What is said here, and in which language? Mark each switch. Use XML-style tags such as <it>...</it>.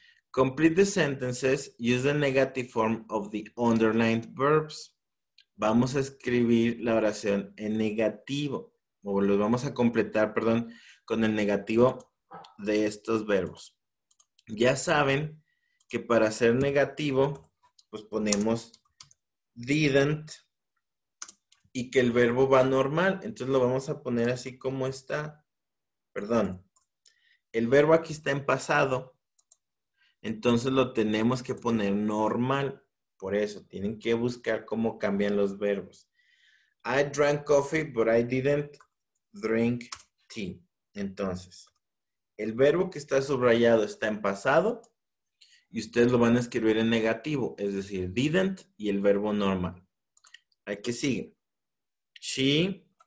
<en>Complete the sentences, use the negative form of the underlined verbs.</en> <es>Vamos a escribir la oración en negativo, o los vamos a completar, perdón, con el negativo de estos verbos. Ya saben que para hacer negativo, pues ponemos didn't y que el verbo va normal. Entonces lo vamos a poner así como está. Perdón. El verbo aquí está en pasado. Entonces lo tenemos que poner normal. Por eso, tienen que buscar cómo cambian los verbos.</es> <en>I drank coffee, but I didn't drink tea.</en> <es>Entonces, el verbo que está subrayado está en pasado y ustedes lo van a escribir en negativo, es decir, didn't y el verbo normal. Hay que seguir. She.</es>